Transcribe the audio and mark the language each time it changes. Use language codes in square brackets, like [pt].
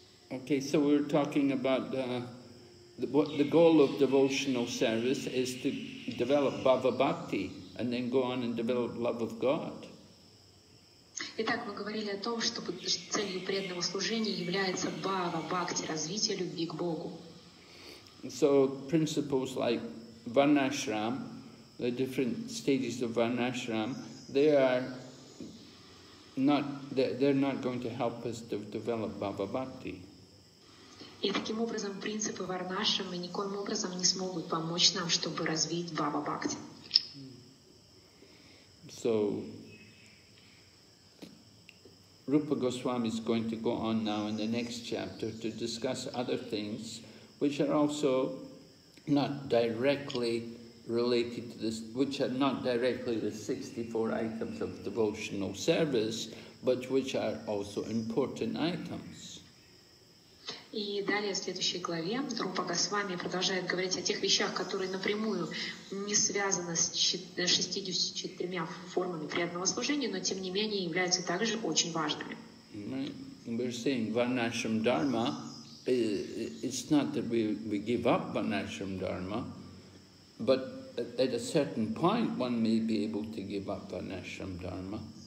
[en] Okay, so we're talking about what the goal of devotional service is to develop bhava bhakti and then go on and develop love of God. [ru] Итак, мы говорили о том, что целью преданного служения является бхава, бхакти, развитие любви к Богу. [en] So principles like varnashram, the different stages of varnashram, they're not going to help us to develop bhava bhakti. [ru] И таким образом принципы варнашрама никоим образом не смогут помочь нам, чтобы развить бхава бхакти. [en] So Rupa Goswami is going to go on now in the next chapter to discuss other things which are also not directly related to this, which are not directly the 64 items of devotional service, but which are also important items. [ru] И далее в следующей главе Рупа Госвами продолжает говорить о тех вещах, которые напрямую не связаны с 64 формами преданного служения, но тем не менее являются также очень важными. [en] We're saying varnashram dharma, it's not that we give up varnashram dharma, but at a certain point one may be able to give up varnashram dharma.